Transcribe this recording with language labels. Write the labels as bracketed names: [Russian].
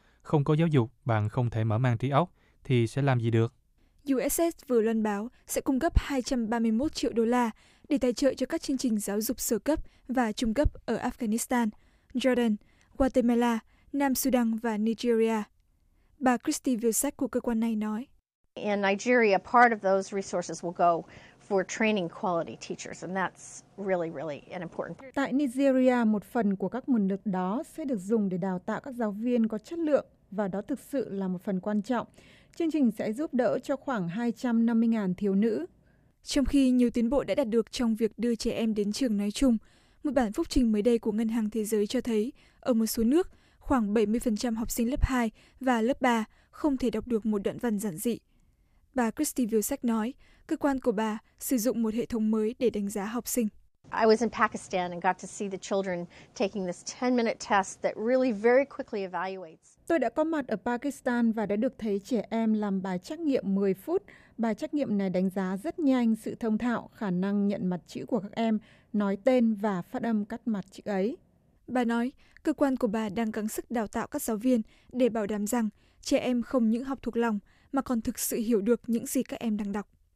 [Vietnamese] Không có giáo dục, bạn không thể mở mang trí óc thì sẽ làm gì được? USAID vừa loan báo sẽ cung cấp 231 triệu đô la để tài trợ cho các chương trình giáo dục sơ cấp và trung cấp ở Afghanistan, Jordan, Guatemala, Nam Sudan và Nigeria. Bà Christy Vilsack của cơ quan này nói. [English] In Nigeria, part of those resources will go for training quality teachers, and that's really, really an important. [Vietnamese] Tại Nigeria, một phần của các nguồn lực đó sẽ được dùng để đào tạo các giáo viên có chất lượng. và đó thực sự là một phần quan trọng. Chương trình sẽ giúp đỡ cho khoảng 250.000 thiếu nữ. Trong khi nhiều tiến bộ đã đạt được trong việc đưa trẻ em đến trường nói chung, một bản phúc trình mới đây của Ngân hàng Thế giới cho thấy, ở một số nước, khoảng 70% học sinh lớp 2 và lớp 3 không thể đọc được một đoạn văn giản dị. Bà Christy Vilsack nói, cơ quan của bà sử dụng một hệ thống mới để đánh giá học sinh. [English] I was in Pakistan and got to see the children taking this 10-minute test that really very quickly evaluates. [Vietnamese] Tôi đã có mặt ở Pakistan và đã được thấy trẻ em làm bài trắc nghiệm 10 phút. Bài trắc nghiệm này đánh giá rất nhanh sự thông thạo, khả năng nhận mặt chữ của các em, nói tên và phát âm các mặt chữ ấy. Bà nói, cơ quan của bà đang gắng sức đào tạo các giáo viên để bảo đảm rằng trẻ em không những học thuộc lòng mà còn thực sự hiểu được những gì các em đang đọc.